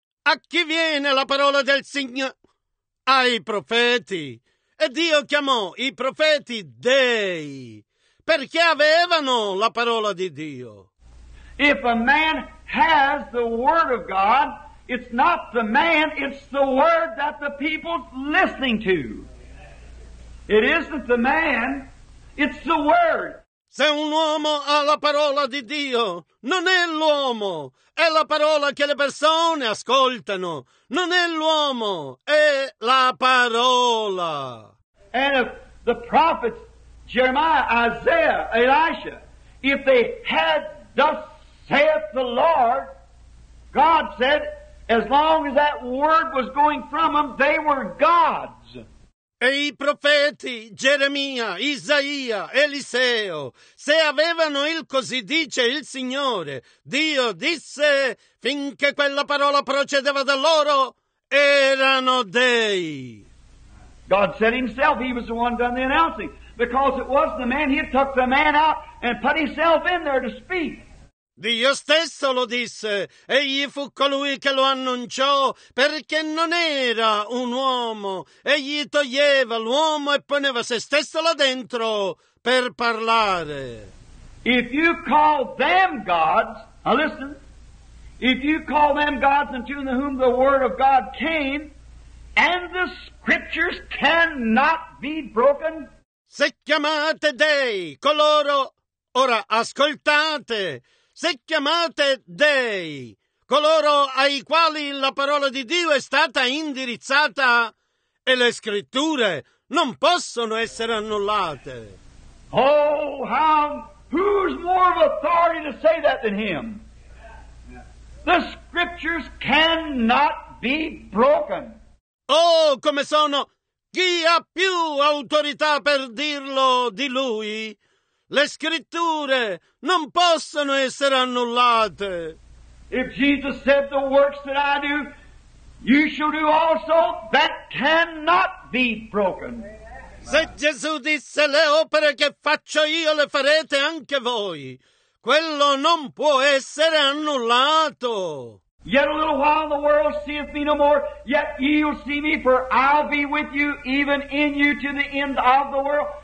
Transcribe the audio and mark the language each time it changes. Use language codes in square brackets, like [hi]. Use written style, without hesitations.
[it] A chi viene la parola del Signore? Ai profeti. E Dio chiamò i profeti dei, perché avevano la parola di Dio. [en] If a man has the word of God, it's not the man, it's the word that the people's listening to. It isn't the man, it's the word. [it] Se un uomo ha la parola di Dio, non è l'uomo, è la parola che le persone ascoltano. Non è l'uomo, è la parola. [en] And if the prophets, Jeremiah, Isaiah, Elisha, if they had, thus saith the Lord, God said, as long as that word was going from them, they were gods. [it] E i profeti, Geremia, Isaia, Eliseo, se avevano il così dice il Signore, Dio disse, finché quella parola procedeva da loro, erano dei. [en] God said himself, he was the one done the announcing, because it was the man, he had took the man out and put himself in there to speak. [it] Dio stesso lo disse, egli fu colui che lo annunciò, perché non era un uomo, egli toglieva l'uomo e poneva se stesso là dentro per parlare. [en] If you call them gods, now listen, if you call them gods unto whom the word of God came, and the scriptures cannot be broken. [it] Se chiamate dei coloro, ora ascoltate, se chiamate dei coloro ai quali la parola di Dio è stata indirizzata e le scritture non possono essere annullate. [en] Oh, who's more of authority to say that than him? The scriptures cannot be broken. [it] Oh, come sono! Chi ha più autorità per dirlo di lui? Le scritture non possono essere annullate. [en] If Jesus said the works that I do, you shall do also, that cannot be broken. [it] Se Gesù disse le opere che faccio io le farete anche voi, quello non può essere annullato. [en] Yet a little while the world seeth me no more, yet ye will see me, for I'll be with you, even in you, to the end of the world.